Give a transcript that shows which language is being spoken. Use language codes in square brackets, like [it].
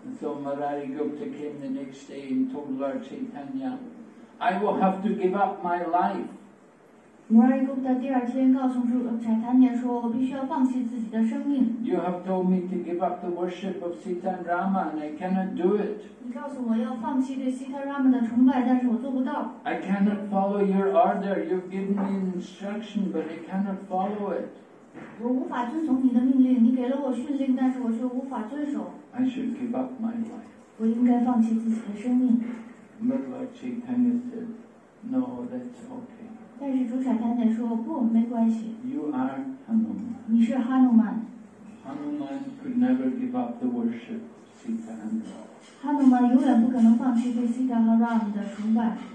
[en] So Murari Gupta came the next day and told Lord Chaitanya, "I will have to give up my life." [zh] Murari Gupta 第二天告诉主 Chaitanya 说，我必须要放弃自己的生命。 [en] You have told me to give up the worship of Sita and Rama, and I cannot do it. [zh] 告诉我要放弃对希特拉曼的崇拜，但是我做不到。 [en] I cannot follow your order. You've given me instruction, but I cannot follow it. [zh] 我无法遵从你的命令，你给了我训令，但是我却无法遵守。 [en] I should give up my life. [zh] 我应该放弃自己的生命。 [en] But Lord Chaitanya said, "No, that's okay." [zh] 但是主宰太太说不，没关系。 [en] You are Hanuman. [zh] 你是哈努曼。 [en] Hanuman could never give up the worship of Sita and Rama. [zh] 哈努曼永远不可能放弃对西达和 Ram 的崇拜。